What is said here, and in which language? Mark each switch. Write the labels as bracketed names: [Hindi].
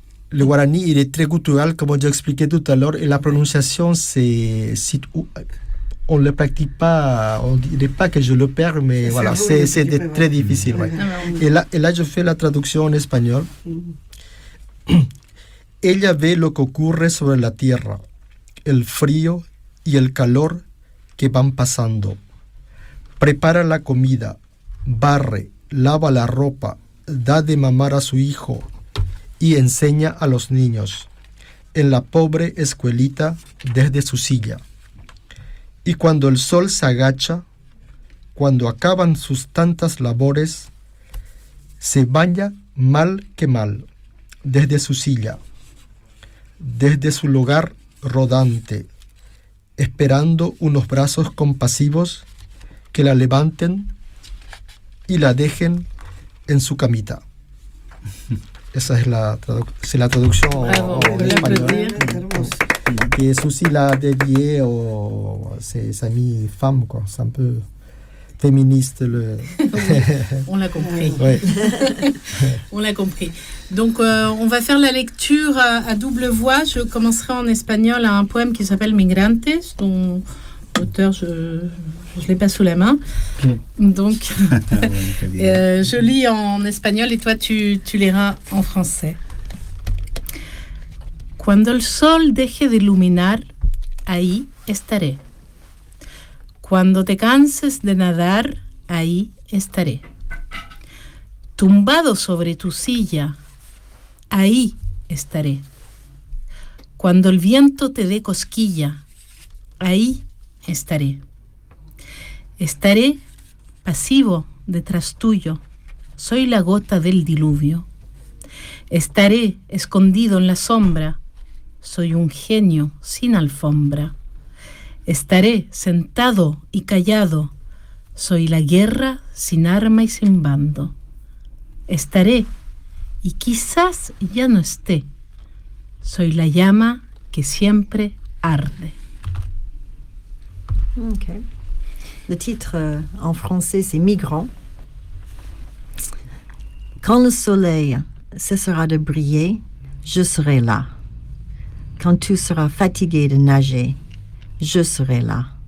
[French] Le guarani, il est très guttural, comme j'ai expliqué tout à l'heure, et la prononciation, c'est on ne le pratique pas, on ne dirait pas que je le perds, mais c'est voilà, c'est très pas. Difficile. Ouais. Et là, je fais la traduction en espagnol. [Spanish] Ella ve lo que ocurre sobre la tierra, el frío y el calor que van pasando. Prepara la comida, barre, lava la ropa, da de mamar a su hijo y enseña a los niños en la pobre escuelita desde su silla. Y cuando el sol se agacha, cuando acaban sus tantas labores, se baña mal que mal, desde su silla, desde su lugar rodante, esperando unos brazos compasivos que la levanten y la dejen en su camita. Esa es la traducción en español. [French] Que Susi l'a dédié à ses amies femmes, quoi. C'est un peu féministe. On l'a compris. Ouais. On l'a compris. Donc, on va faire la lecture à double voix. Je commencerai en espagnol à un poème qui s'appelle Migrantes, dont l'auteur, je ne l'ai pas sous la main. Donc, je lis en espagnol et toi, tu liras en français. [Spanish] Cuando el sol deje de iluminar, ahí estaré. Cuando te canses de nadar, ahí estaré. Tumbado sobre tu silla, ahí estaré. Cuando el viento te dé cosquilla, ahí estaré. Estaré pasivo detrás tuyo, soy la gota del diluvio. Estaré escondido en la sombra, soy un genio sin alfombra. Estaré sentado y callado. Soy la guerra sin arma y sin bando. Estaré y quizás ya no esté. Soy la llama que siempre arde. Ok. [French] Le titre en français, c'est Migrant. Quand le soleil cessera de briller, je serai là. Quand tu seras fatigué de nager, je serai là.